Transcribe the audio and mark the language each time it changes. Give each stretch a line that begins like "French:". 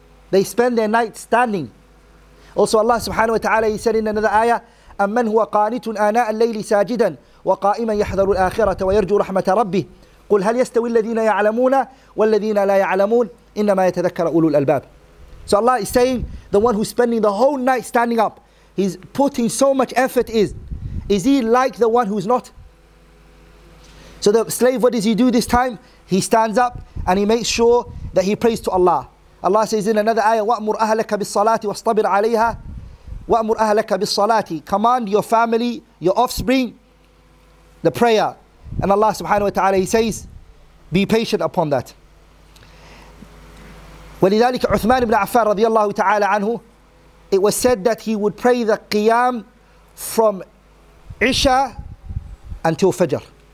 English: They spend their night standing. Also Allah subhanahu wa ta'ala, He said in another ayah,
Arabic: أَمَّنْ هُوَ قَانِتٌ آنَاءَ اللَّيْلِ سَاجِدًا وَقَائِمًا يَحْذَرُ الْآخِرَةَ وَيَرْجُو رَحْمَةَ رَبِّهِ قُلْ هَلْ يَسْتَوِي الَّذِينَ يَعْلَمُونَ وَالَّذِينَ لَا يَعْلَمُونَ إِنَّمَا يَتَذَكَّرُ أُولُو الْأَلْبَابِ.
English: So Allah is saying, the one who's spending the whole night standing up, he's putting so much effort, is he like the one who's not? So the slave, what does he do this time? He stands up and he makes sure that he prays to Allah. Allah says in another ayah,
Arabic: وَأْمُرْ أَهْلَكَ بِالصَّلَاةِ وَاصْطَبِرْ عَلَيْهَا وَأْمُرْ أَهْلَكَ بِالصَّلَاةِ.
English: Command your family, your offspring, the prayer. And Allah subhanahu wa ta'ala, He says, be patient upon that.
Arabic: ولذلك عثمان بن عفان رضي الله تعالى عنه,
English: it was said that he would pray the Qiyam from Isha until Fajr.